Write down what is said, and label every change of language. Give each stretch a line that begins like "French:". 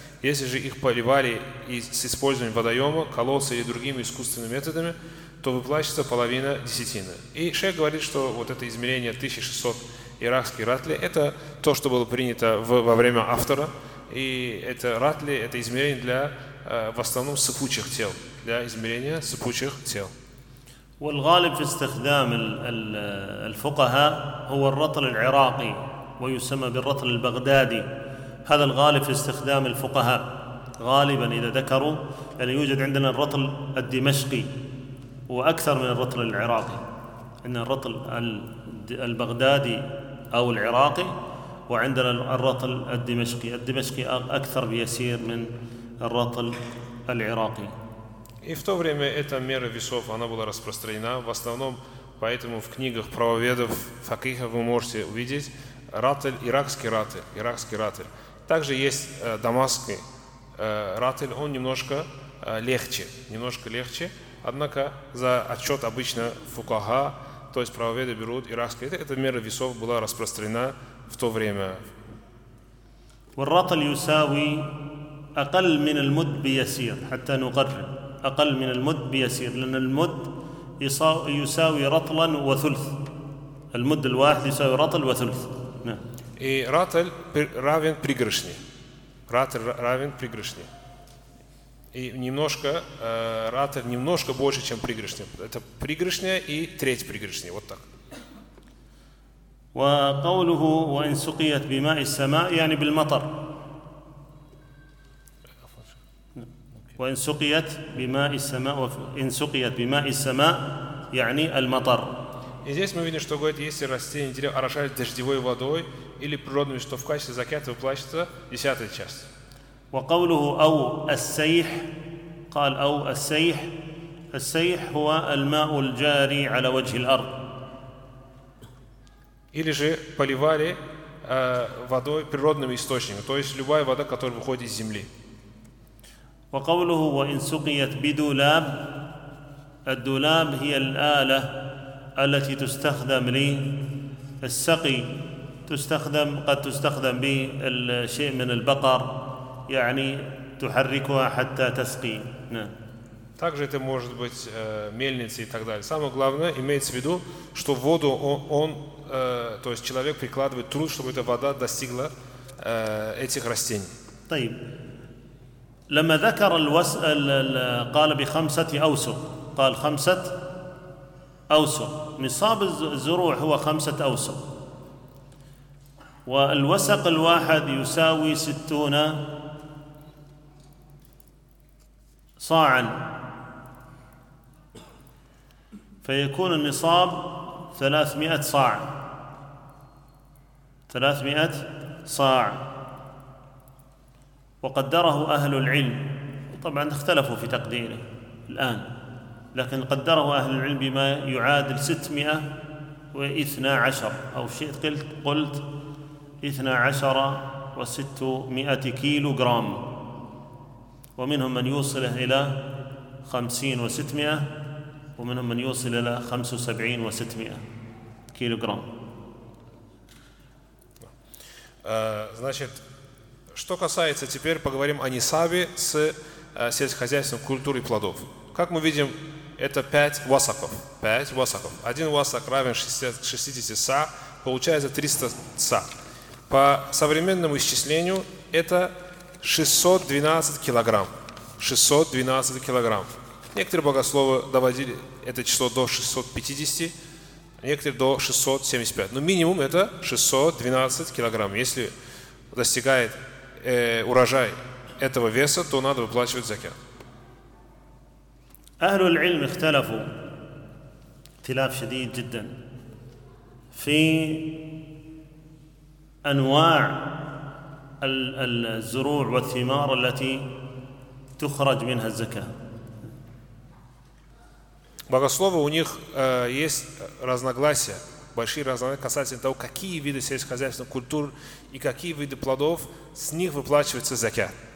Russian: Если же их поливали с использованием водоема, колодца или другими искусственными методами, то выплачивается половина десятины. И шейх говорит, что вот это измерение 1600 иракских ратли, это то, что было принято во время автора, и это ратли, это измерение для, в основном, сыпучих тел, для измерения сыпучих тел.
Arabic: والغالب في استخدام الفقهاء هو الرطل العراقي ويسمى بالرطل البغدادي. هذا الغالب في استخدام الفقهاء غالبا إذا ذكروا أن يوجد عندنا الرطل الدمشقي هو أكثر من الرطل العراقي، إن الرطل البغدادي أو العراقي وعندنا الرطل الدمشقي، الدمشقي أكثر بيسير من الرطل العراقي.
Russian: И в то время эта мера весов она была распространена в основном, поэтому в книгах правоведов факихов вы можете увидеть ратель иракский ратель, иракский ратель. Также есть дамасский ратель, он немножко легче, немножко легче. Однако за отчет обычно фукаха, то есть правоведы берут иракские. Эта мера весов была распространена в то время.
Arabic: والرطل يساوي أقل من المد بيسير حتى نقرر أقل من المد بيسير لأن المد يساوي رطلا وثلث. المد الواحد يساوي رطل وثلث.
Russian: И ратель равен пригоршне. Ратель равен пригоршне. И немножко ратель немножко больше, чем пригоршня. Это пригоршня и треть пригоршни. Вот так.
Arabic: وقوله وإن سقيت بماء السماء يعني بالمطر. وإن سقيت بماء السماء وإن سقيت بماء السماء يعني المطر.
Russian: И здесь мы видим, что говорит, если растения, деревья орошались дождевой водой или природными, что в качестве закята выплачивается десятая часть.
Arabic: وقوله أو السيح قال أو السيح السيح هو الماء الجاري على وجه الأرض.
Russian: Или же поливали водой, природным источником, то есть любая вода, которая выходит из земли.
Arabic: وقوله وإن سقيت بدولاب الدولاب هي الآلة التي تستخدم للسقي تستخدم قد تستخدم بالشيء من البقر يعني تحركها حتى تسقي.
Russian: Также это может быть мельница и так далее. Самое главное имеется в виду, что воду он то есть человек прикладывает труд, чтобы эта вода достигла этих растений.
Arabic: طيب. لما ذكر قال بخمسة أوسق قال خمسة أوسق نصاب الزروع هو خمسة أوسق والوسق الواحد يساوي ستون صاعا فيكون النصاب ثلاثمائة صاع ثلاثمائة صاع وقدره أهل العلم طبعا اختلفوا في تقديره الآن لكن قدره أهل العلم بما يعادل ستمائة واثنى عشر أو شيء قلت اثنى عشر وستمائة كيلو جرام ومنهم من يوصل إلى خمسين وستمائة ومنهم من يوصل إلى خمس وسبعين وستمائة كيلو جرام.
Russian: Значит, что касается, теперь поговорим о нисабе с сельскохозяйственной культурой плодов. Как мы видим, это 5 васаков. 5 васаков. Один васак равен 60 са, получается 300 са. По современному исчислению, это 612 килограмм. 612 килограмм. Некоторые богословы доводили это число до 650, некоторые до 675. Но минимум это 612 килограмм. Если достигает урожай этого веса, то надо выплачивать закят.
Arabic: أهل العلم اختلفوا اختلاف شديد جدا في أنواع الزروع والثمار التي تخرج منها الزكاة.
Russian: Богословы у них есть разногласия. Большие разные касательно того, какие виды сельскохозяйственных культур и какие виды плодов с них выплачивается закят.